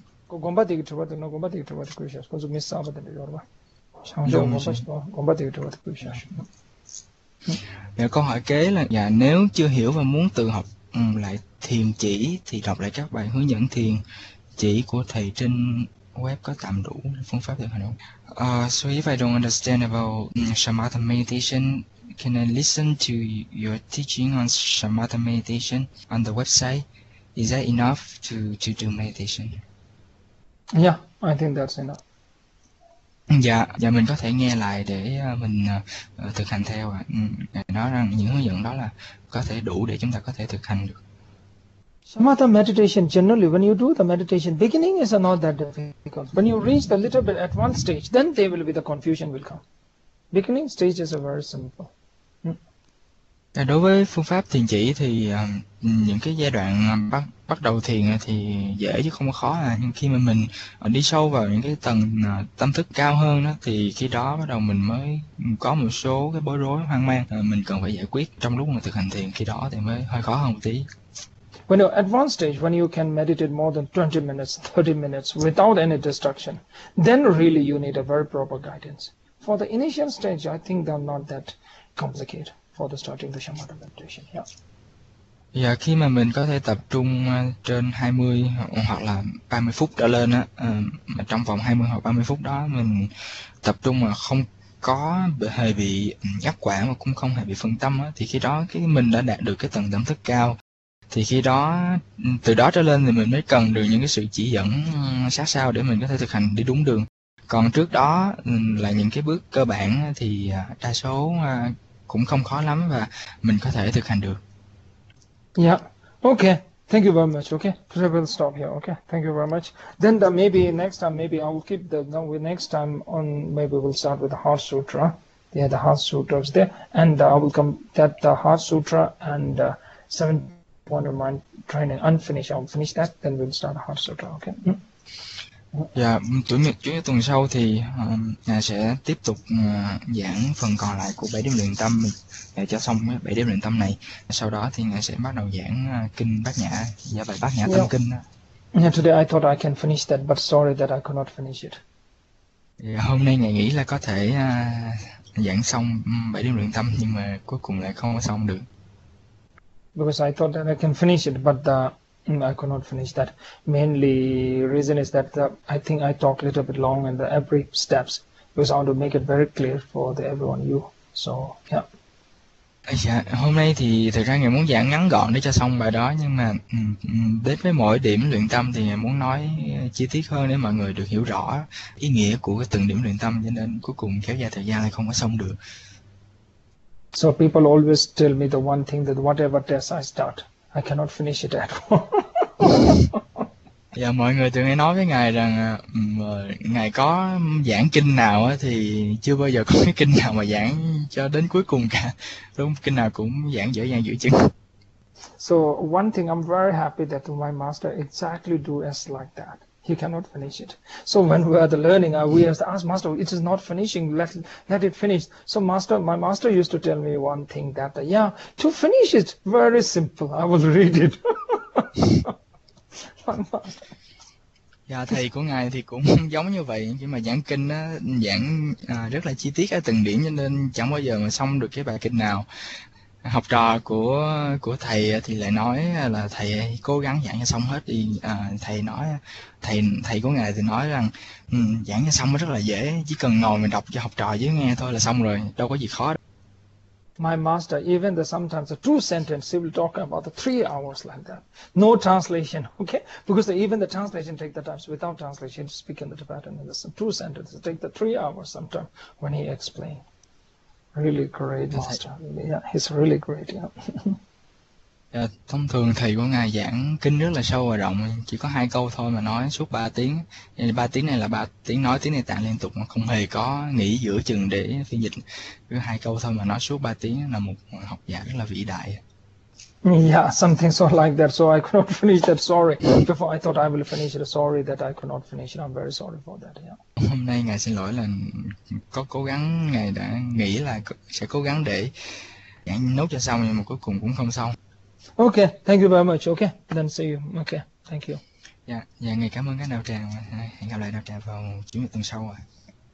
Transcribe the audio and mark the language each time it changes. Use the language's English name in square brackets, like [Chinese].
[Vietnamese] Có gom bát thịt trượt nó gom bát thịt trượt cuối chưa? Có dùng miếng sao vào đây rồi mà? Gom bát thịt trượt cuối chưa? Dạ, câu hỏi kế là, dạ, nếu chưa hiểu và muốn tự học lại thiền chỉ thì đọc lại các bài hướng dẫn thiền chỉ của thầy trên web có tạm đủ phương pháp thiền hành không? [English] So if I don't understand about Shamatha meditation, can I listen to your teaching on Shamatha meditation on the website? Is that enough to do meditation? Yeah, I think that's enough. [Vietnamese] Dạ, dạ mình có thể nghe lại để mình thực hành theo ạ. Nói rằng những hướng dẫn đó là có thể đủ để chúng ta có thể thực hành được. [English] Shamatha meditation generally when you do the meditation beginning is not that difficult. When you reach the little bit at one stage, then there will be the confusion will come. Beginning stages are very simple. [Vietnamese] Đối với phương pháp thiền chỉ thì những cái giai đoạn bắt đầu thiền thì dễ chứ không khó à. Nhưng khi mà mình đi sâu vào những cái tầng tâm thức cao hơn đó thì khi đó bắt đầu mình mới có một số cái bối rối hoang mang mình cần phải giải quyết trong lúc mà thực hành thiền, khi đó thì mới hơi khó hơn một tí. [English] When you're advanced stage, when you can meditate more than 20 minutes, 30 minutes without any distraction, then really you need a very proper guidance. For the initial stage, I think they're not that complicated. For the starting the Shamatha meditation, yeah. [Vietnamese] Dạ, khi mà mình có thể tập trung trên 20 hoặc là 30 phút trở lên á, mà trong vòng 20 hoặc 30 phút đó mình tập trung mà không có hề bị ngắt quãng và cũng không hề bị phân tâm á, thì khi đó cái mình đã đạt được cái tầng tâm thức cao, thì khi đó từ đó trở lên thì mình mới cần được những cái sự chỉ dẫn sát sao để mình có thể thực hành đi đúng đường. Còn trước đó là những cái bước cơ bản thì đa số cũng không khó lắm và mình có thể thực hành được. [English] Yeah. Okay. Thank you very much. Okay. We'll stop here. Okay. Thank you very much. Then the, maybe next time, maybe I will keep the, no, we next time on, maybe we'll start with the Heart Sutra. Yeah, the Heart Sutra is there. And I will come that the Heart Sutra and 7 Wonder Mind Training unfinished. I'll finish that. Then we'll start the Heart Sutra. Okay. [Vietnamese] Dạ, chủ nhật tuần sau thì nhà sẽ tiếp tục giảng phần còn lại của 7 điểm luyện tâm để cho xong 7 điểm luyện tâm này. Sau đó thì nhà sẽ bắt đầu giảng kinh Bát Nhã, giả bài Bát Nhã Tâm [English] Yeah. [Vietnamese] Kinh. [English] Yeah, today I thought I can finish that, but sorry that I could not finish it. [Vietnamese] Dạ, hôm nay ngài nghĩ là có thể giảng xong 7 điểm luyện tâm nhưng mà cuối cùng lại không có xong được. [English] Because I thought that I can finish it, but I could not finish that. Mainly reason is that I think I talk a little bit long in the every steps because I want to make it very clear for the everyone you. So yeah. [Vietnamese] Dạ, hôm nay thì thực ra ngài muốn giảng ngắn gọn để cho xong bài đó, nhưng mà đến với mỗi điểm luyện tâm thì ngài muốn nói chi tiết hơn để mọi người được hiểu rõ ý nghĩa của từng điểm luyện tâm, cho nên cuối cùng kéo dài thời gian lại không có xong được. [English] So people always tell me the one thing that whatever test I start, I cannot finish it at all. [Vietnamese] Dạ, mọi người thường hay nói với ngài rằng ngài có giảng kinh nào á, thì chưa bao giờ có cái kinh nào mà giảng cho đến cuối cùng cả, đúng, kinh nào cũng giảng dở dang dữ chừng. [English] So one thing I'm very happy that my master exactly do as like that. He cannot finish it. So when we are the learning, we have to ask master, it is not finishing, let it finish. So master, my master used to tell me one thing that, yeah, to finish it, very simple, I will read it. My master. [Vietnamese] Dạ, thầy của ngài thì cũng giống như vậy, nhưng mà giảng kinh á, giảng rất là chi tiết ở từng điểm cho nên chẳng bao giờ mà xong được cái bài kinh nào. Học trò của thầy thì lại nói là thầy cố gắng giảng cho xong hết đi. Thầy nói thầy thầy của ngài thì nói rằng giảng cho xong rất là dễ, chỉ cần ngồi mình đọc cho học trò dưới nghe thôi là xong rồi, đâu có gì khó đâu. [English] My master, even the sometimes the two sentence, he will talk about the 3 hours like that. No translation, okay? Because even the translation take the times without translation, speak in the Tibetan, and the two sentences take the 3 hours sometimes when he explain. Really great master. Yeah, he's really great. Yeah. [Vietnamese] Dạ, thông thường thầy của ngài giảng kinh rất là sâu và rộng, chỉ có 2 câu thôi mà nói suốt 3 tiếng. 3 tiếng này là 3 tiếng nói tiếng Nội Tạng liên tục mà không hề có nghỉ giữa chừng để phiên dịch, cứ 2 câu thôi mà nói suốt 3 tiếng, là một học giả rất là vĩ đại. [English] Yeah, something so like that. So I could not finish that. Sorry. Before I thought I will finish it. Sorry that I could not finish it. I'm very sorry for that. Yeah. [Vietnamese] Hôm nay ngài xin lỗi là có cố gắng, ngài đã nghĩ là sẽ cố gắng để giảng nốt cho xong nhưng mà cuối cùng cũng không xong. [English] Okay, thank you very much. Okay, then see you. Okay, thank you. [Vietnamese] Dạ, ngài cảm ơn các đạo tràng, hẹn gặp lại đạo tràng vào chủ nhật tuần sau ạ. À.